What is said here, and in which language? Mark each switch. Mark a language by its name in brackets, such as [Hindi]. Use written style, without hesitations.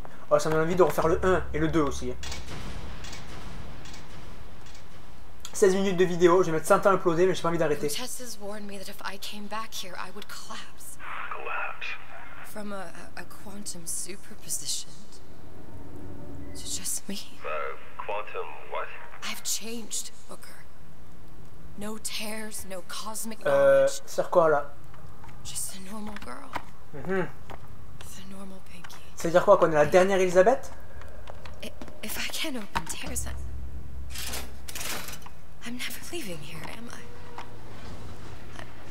[French] Oh, ça me donne envie de refaire le 1 et le 2 aussi. 16 minutes de vidéo, je vais mettre 100 ans à uploader, mais j'ai pas envie d'arrêter. [English] Lutèce has warned me that if I came back here, I would collapse. Collapse. From a quantum superposition. To just me. Quantum what? I've changed, Booker. No tears, no cosmic knowledge. [French] Sert quoi là? [English] Just a normal girl. Mm-hmm. The normal pink. [French] Ça veut dire quoi, qu'on est la dernière Elisabeth? [English] If I can open tears, I'm never leaving here, am I?